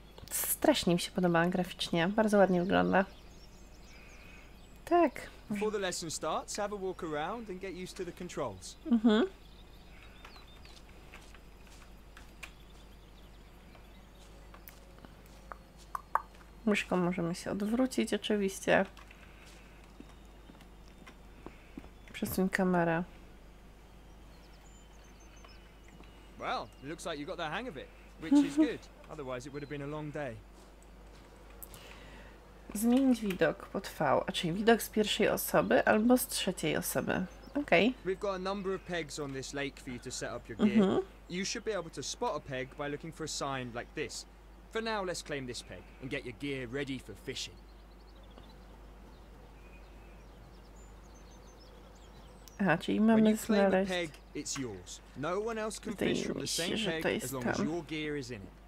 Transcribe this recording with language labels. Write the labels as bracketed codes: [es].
[pl] Strasznie mi się podoba graficznie, bardzo ładnie wygląda. Tak. [en] Before the lesson starts, have a walk around and get used to the controls. Mhm. [pl] Myszką możemy się odwrócić, oczywiście. Przesuń kamerę. [en] Well, it looks like you got the hang of it, which is good. Otherwise, it would have been a long day. [pl] Zmienić widok pod V, a czyli widok z pierwszej osoby albo z trzeciej osoby. Okej. Okay. [en] We've got a number of pegs on this lake for you to set up your gear. Mm-hmm. You should be able to spot a peg by looking for a sign like this. For now, let's claim this peg and get your gear ready for fishing. [pl] Aha, czyli mamy znaleźć. [en] Peg, it's yours. No one else can fish from the same peg as long as your gear is in it.